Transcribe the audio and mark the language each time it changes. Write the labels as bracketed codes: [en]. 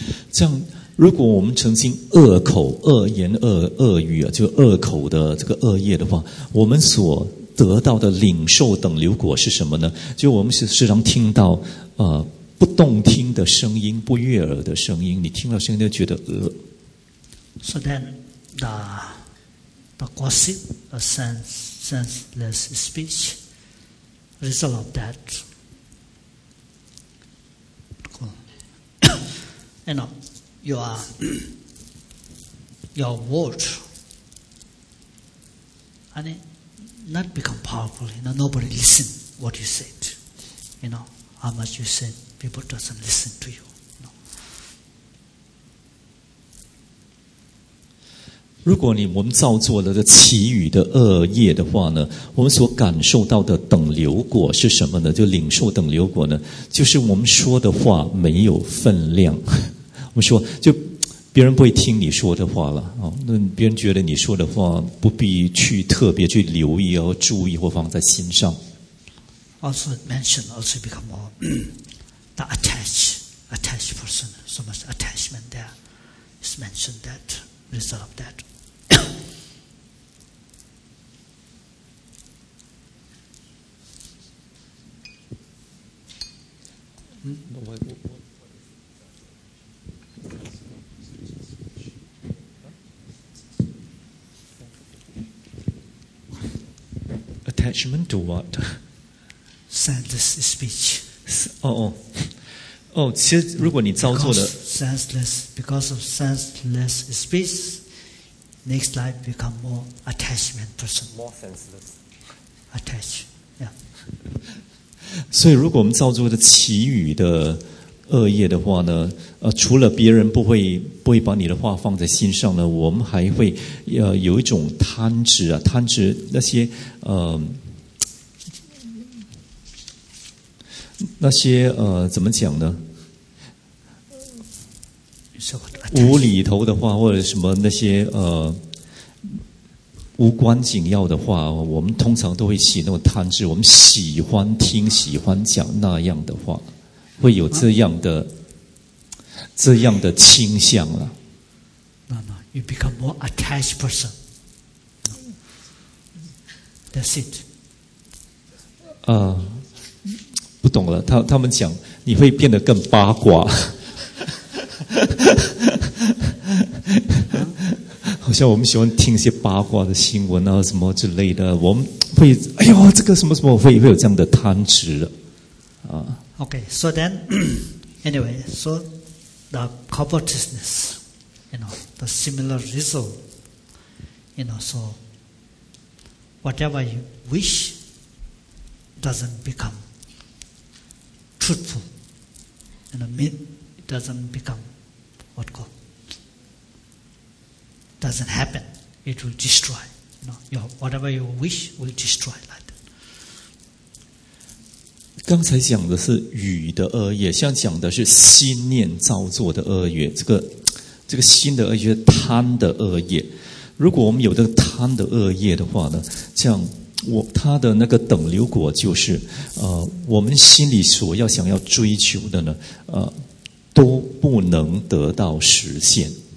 [zh] 这样，如果我们曾经恶口、恶言、恶语啊，就恶口的这个恶业的话，我们所得到的领受等流果是什么呢？就我们时常听到不动听的声音，不悦耳的声音，你听到声音就觉得恶。 [en] So then, the gossip, the senseless speech, result of that, you know, your word, and it not become powerful. You know, nobody listen what you said. You know, how much you said. People doesn't listen to you. No. [zh] 如果我们造作了个绮语的恶业的话呢，我们所感受到的等流果是什么呢？就领受等流果呢，就是我们说的话没有分量。我们说，就别人不会听你说的话了啊。那别人觉得你说的话不必去特别去留意哦、注意或放在心上。 [en] Also mentioned, also become more. The attached person, so much attachment there is mentioned that, result of that. Attachment to what? Senseless speech. [zh] 哦，其实如果你造作的 [en] because of senseless speech, next life become more attachment person. More senseless. Attach, yeah. [zh] 所以如果我们造作的绮语的恶业的话呢，除了别人不会把你的话放在心上呢，我们还会有一种贪执啊，贪执那些怎么讲呢？无厘头的话或者什么那些无关紧要的话，我们通常都会起那种贪执，我们喜欢听喜欢讲那样的话，会有这样的倾向了。 [en] No, you become more attached person, that's it. [zh] 不懂了，他们讲你会变得更八卦。好像我们喜欢听一些八卦的新闻啊什么之类的，我们会哎呦这个什么什么会有这样的贪执啊。 [en] Okay, so then, anyway, so the covetousness, you know, the similar result, you know, so whatever you wish doesn't become truthful, and it doesn't become what God doesn't happen. It will destroy. You know, whatever you wish will destroy like that. [zh] 刚才讲的是语的恶业，现在讲的是心念造作的恶业。这个心的恶业，贪的恶业。如果我们有这个贪的恶业的话呢，像他的那个等流果就是，我们心里所要想要追求的呢，都不能得到实现。